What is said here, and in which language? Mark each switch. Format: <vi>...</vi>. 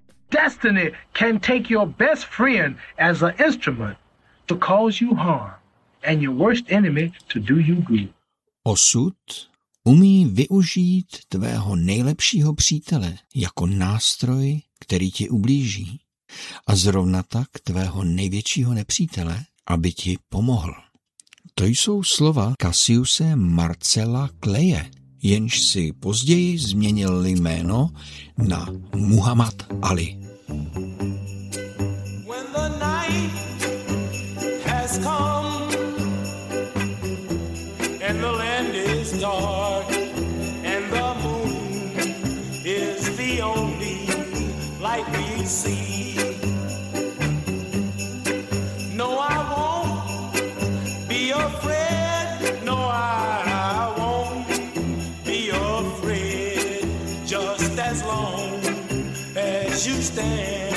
<en>Destiny can take your best friend as an instrument to cause you harm and your worst enemy to do you good.</en> <cs>Osud umí využít tvého nejlepšího přítele jako nástroj, který ti ublíží, a zrovna tak tvého největšího nepřítele, aby ti pomohl. To jsou slova Cassiuse Marcella Claye, jenž si později změnil jméno na Muhammad Ali.</cs> <en>When the night has come and the land is dark and the moon is the only light we see, no, I won't be afraid, no, I won't be afraid, just as long as you stand.</en>